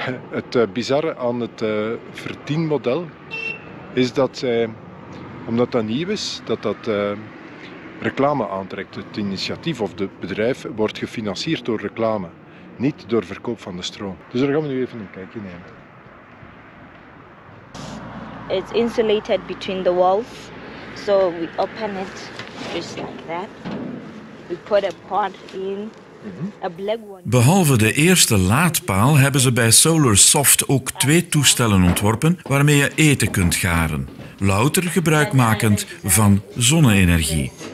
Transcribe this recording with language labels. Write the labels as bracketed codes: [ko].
[nl] Het bizarre aan het verdienmodel is dat zij, omdat dat nieuw is, dat reclame aantrekt. Het initiatief of het bedrijf wordt gefinancierd door reclame, niet door verkoop van de stroom. Dus daar gaan we nu even een kijkje nemen. [en] It's insulated between the walls, so we open it just like that. We put a pot in. [nl] Behalve de eerste laadpaal hebben ze bij Solar Soft ook twee toestellen ontworpen waarmee je eten kunt garen, louter gebruikmakend van zonne-energie.